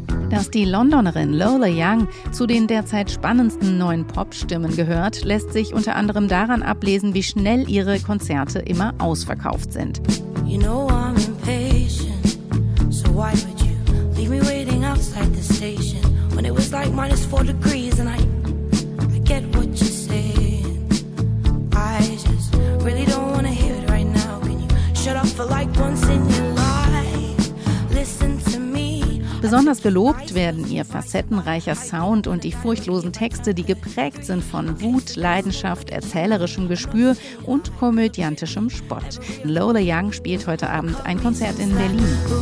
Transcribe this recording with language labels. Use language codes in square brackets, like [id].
[de] Dass die Londonerin Lola Young zu den derzeit spannendsten neuen Popstimmen gehört, lässt sich unter anderem daran ablesen, wie schnell ihre Konzerte immer ausverkauft sind. [en] You know I'm impatient, so why would you leave me waiting outside the station when it was like minus 4 degrees and I get what you say. I just really don't want to hear it right now. Can you shut up for like once in your life? Listen. [de] Besonders gelobt werden ihr facettenreicher Sound und die furchtlosen Texte, die geprägt sind von Wut, Leidenschaft, erzählerischem Gespür und komödiantischem Spott. Lola Young spielt heute Abend ein Konzert in Berlin.